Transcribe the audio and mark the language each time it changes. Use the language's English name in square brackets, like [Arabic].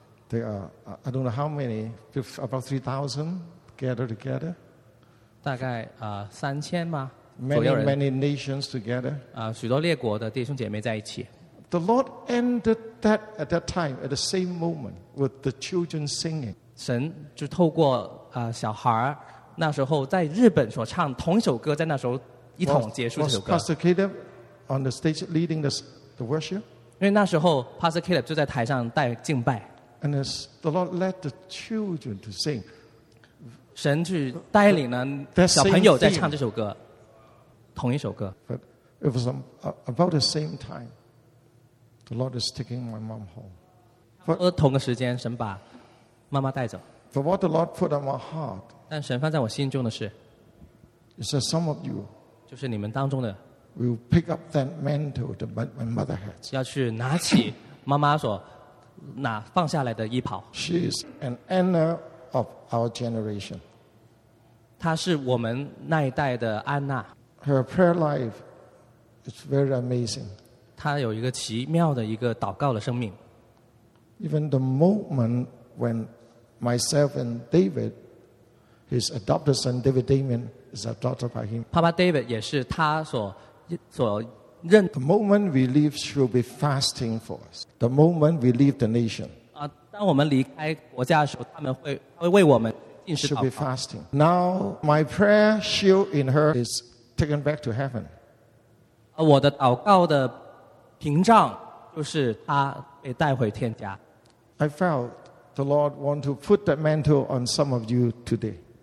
[English] There are, I don't know how many, about 3,000 gathered together. [Chinese] 大概, 3,000吗? [English] Many, many nations together. [Chinese] 许多列国的弟兄姐妹在一起。 [English] The Lord ended that at that time, at the same moment, with the children singing. [Chinese] 神就透过, 小孩那时候在日本所唱同一首歌，在那时候一同结束这首歌。 [English] Was Pastor Caleb on the stage leading the worship? [Chinese] 因为那时候, Pastor Caleb就在台上带敬拜。 [English] And as the Lord led the children to sing, [Chinese] 神去带领了小朋友在唱这首歌, 同一首歌。 [English] But it was about the same time, the Lord is taking my mom home. [Chinese] 同个时间神把妈妈带走。 [English] But what the Lord put on my heart, [Chinese] 但神放在我心中的是, [English] is that some of you, [Chinese] 就是你们当中的, [English] will pick up that mantle that my mother had. [Chinese] 要去拿起妈妈所, 那放下来的衣袍。 [English] She is an honor of our generation. [Chinese] 她是我们那一代的安娜。 [English] Her prayer life is very amazing. [Chinese] 她有一个奇妙的一个祷告的生命。 [English] Even the moment when myself and David, his adopted son David Damien, is adopted by him. [Chinese] Papa David也是他所 [English] The moment we leave should be fasting for us. The moment we leave the nation. [Chinese] 当我们离开国家的时候，他们会为我们进食祷告。 [English] Should be fasting. Now my prayer shield in her is taken back to heaven. [Chinese] 我的祷告的屏障就是她被带回天家。 [English] I felt the Lord want to put that mantle on some of you today.